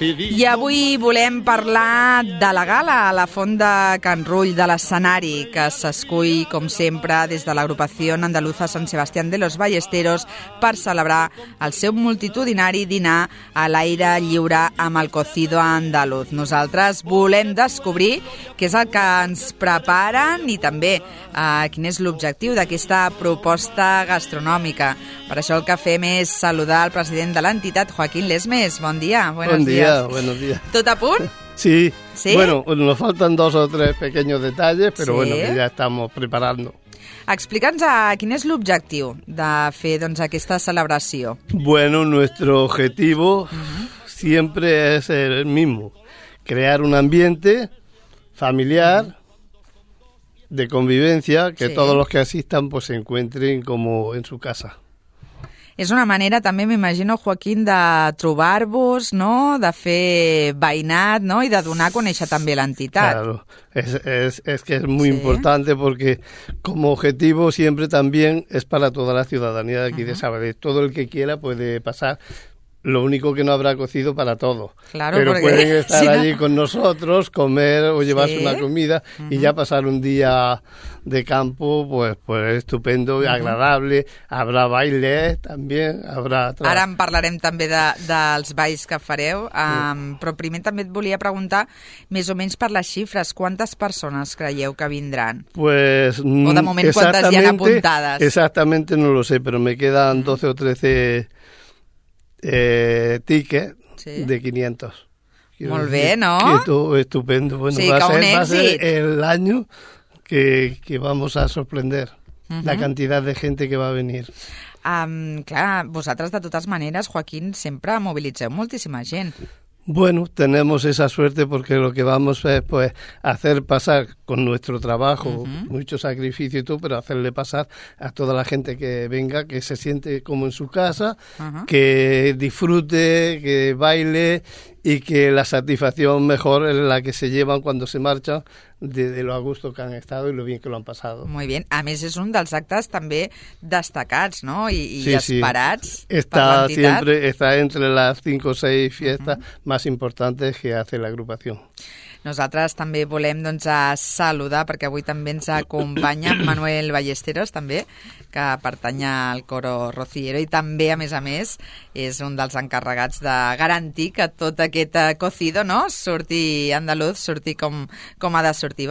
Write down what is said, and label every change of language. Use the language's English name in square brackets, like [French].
[Catalan] I avui volem parlar de la gala a la Fonda Can Rull, de l'escenari que s'escull, com sempre, des de l'agrupació andaluza Sant Sebastián de los Ballesteros per celebrar el seu multitudinari dinar a l'aire lliure amb el cocido andaluz. Nosaltres volem descobrir què és el que ens preparen i també quin és l'objectiu d'aquesta proposta gastronòmica. Per això el que fem és saludar el president de l'entitat, Joaquín Lesmes. Bon dia, [Spanish] buenos días. [Catalan] ¿Tot a punt? Sí. ¿Sí? [Spanish] Bueno, nos faltan dos o tres pequeños detalles, pero sí. Bueno, que ya estamos preparando. [Catalan] Explica'ns quin és l'objectiu de fer doncs, aquesta celebració. [Spanish] Bueno, nuestro objetivo siempre es el mismo, crear un ambiente familiar, de convivencia, que todos los que asistan pues, se encuentren como en su casa. [Catalan] És una manera, també m'imagino, Joaquín, de trobar-vos, no?, de fer veïnat, no?, i de donar a conèixer també l'entitat. [Spanish] Claro, es que es muy importante porque como objetivo siempre también es para toda la ciudadanía de aquí de Sabadell. Todo el que quiera puede pasar, lo único que no habrá cocido para todo. Claro, pero porque pueden estar allí con nosotros, comer o llevarse una comida y ya pasar un día de campo, pues estupendo, agradable. Habrá baile también, habrá... [Catalan] Ara en parlarem també dels balls que fareu, però primer també et volia preguntar, més o menys per les xifres, quantes persones creieu que vindran? [Spanish] Pues, [Catalan] o de moment quantes hi han apuntades? [Spanish] Exactamente no lo sé, pero me quedan 12 o 13 tickets de 500. [Catalan] Quiero molt bé, no? [Spanish] Estupendo. Bueno, sí, va a ser el año... Que vamos a sorprender la cantidad de gente que va a venir. [Catalan] Clar, vosaltres, de totes maneres, Joaquín, sempre mobilitzeu moltíssima gent. [Spanish] Bueno, tenemos esa suerte porque lo que vamos es pues, hacer pasar con nuestro trabajo, mucho sacrificio y todo, pero hacerle pasar a toda la gente que venga, que se siente como en su casa, que disfrute, que baile y que la satisfacción mejor es la que se llevan cuando se marchan de lo a gusto que han estado y lo bien que lo han pasado. Muy bien. [Catalan] A més, és un dels actes també destacats, no? I esperats. Sí. [Spanish] Está entre las 5 o 6 fiestas más importantes que hace la agrupación. [Catalan] Nosaltres també volem doncs, saludar, perquè avui també ens acompanya Manuel Ballesteros, també, que pertany al coro rociero i també, a més, és un dels encarregats de garantir que tot aquest cocido, no?, surti andaluz, surti com ha de sortir.